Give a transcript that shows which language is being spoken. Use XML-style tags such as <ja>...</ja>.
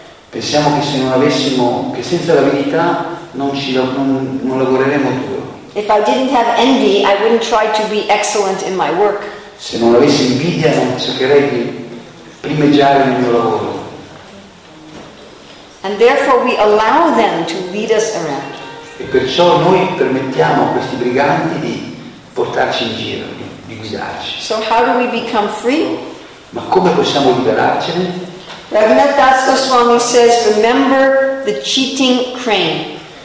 <it>Pensiamo che se non avessimo, che senza l'avidità non lavoreremo duro.</it> <en>If I didn't have envy, I wouldn't try to be excellent in my work.</en> <it>Se non avessi invidia, non cercherei di primeggiare nel mio lavoro.</it> <en>And therefore we allow them to lead us around.</en> <it>E perciò noi permettiamo a questi briganti di portarci in giro, di guidarci.</it> <en>So how do we become free?</en> <it>Ma come possiamo liberarcene?</it> <en>Raghunath Das Goswami says, remember the cheating crane.</en>